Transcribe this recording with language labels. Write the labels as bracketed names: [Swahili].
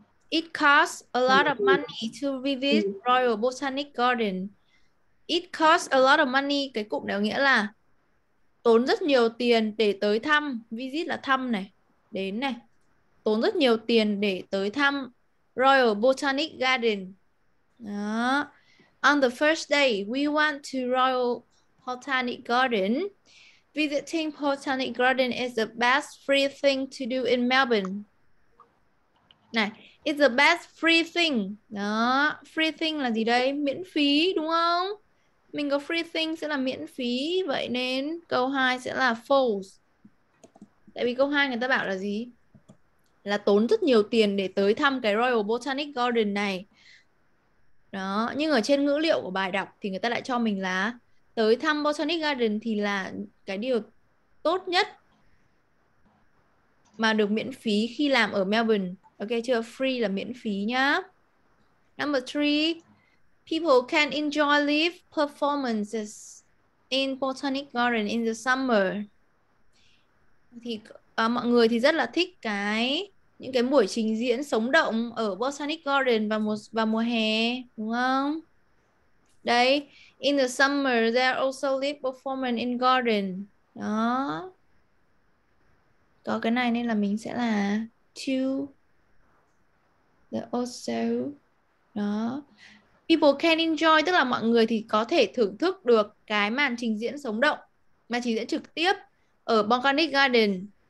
[English] It costs a lot of money to visit Royal Botanic Garden. It costs a lot of money. [Vietnamese] Cái cụm này nghĩa là tốn rất nhiều tiền để tới thăm. Visit là thăm này, đến này. Tốn rất nhiều tiền để tới thăm Royal Botanic Garden. Đó. [English] On the first day, we went to Royal Botanic Garden. Visiting Botanic Garden is the best free thing to do in Melbourne. Này, it's the best free thing. Đó, free thing [Vietnamese] là gì đây? Miễn phí đúng không? Mình có free thing sẽ là miễn phí. Vậy nên câu 2 sẽ là false. Tại vì câu 2 người ta bảo là gì? Là tốn rất nhiều tiền để tới thăm cái Royal Botanic Garden này. Đó, nhưng ở trên ngữ liệu của bài đọc thì người ta lại cho mình là tới thăm Botanic Garden thì là cái điều tốt nhất mà được miễn phí khi làm ở Melbourne. Ok chưa? Free là miễn phí nhá. Number 3. [English] People can enjoy live performances in Botanic Garden in the summer. [Vietnamese] Thì mọi người thì rất là thích những cái buổi trình diễn sống động ở Botanic Garden vào mùa hè, đúng không? [English] Đây, in the summer there are also live performance in garden. [Vietnamese] Đó. Có cái này nên là mình sẽ là to the also. Đó. [English] People can enjoy [Vietnamese] tức là mọi người thì có thể thưởng thức được cái màn trình diễn sống động, màn trình diễn trực tiếp ở Botanic Garden.